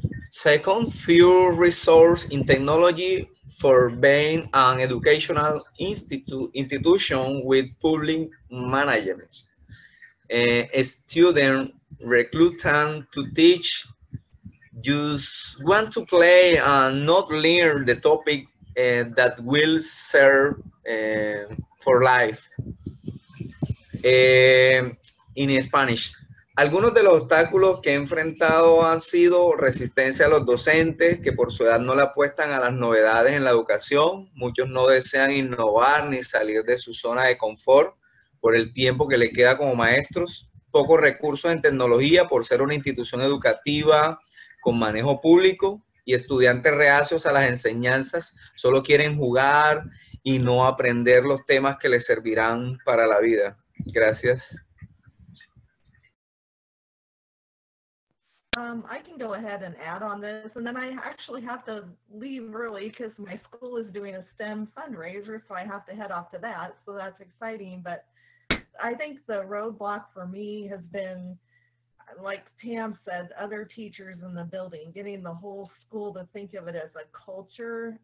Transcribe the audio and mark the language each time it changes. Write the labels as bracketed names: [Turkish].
[English] Second, few resources in technology for being an educational institution with public management. A student reluctant to teach, just want to play and not learn the topic that will serve for life. In Spanish. [Spanish] Algunos de los obstáculos que he enfrentado han sido resistencia a los docentes, que por su edad no le apuestan a las novedades en la educación. Muchos no desean innovar ni salir de su zona de confort por el tiempo que le queda como maestros. Pocos recursos en tecnología por ser una institución educativa con manejo público y estudiantes reacios a las enseñanzas. Solo quieren jugar y no aprender los temas que les servirán para la vida. Gracias. [English] I can go ahead and add on this, and then I actually have to leave early because my school is doing a STEM fundraiser, so I have to head off to that, so that's exciting. But I think the roadblock for me has been, like Pam said, other teachers in the building, getting the whole school to think of it as a culture.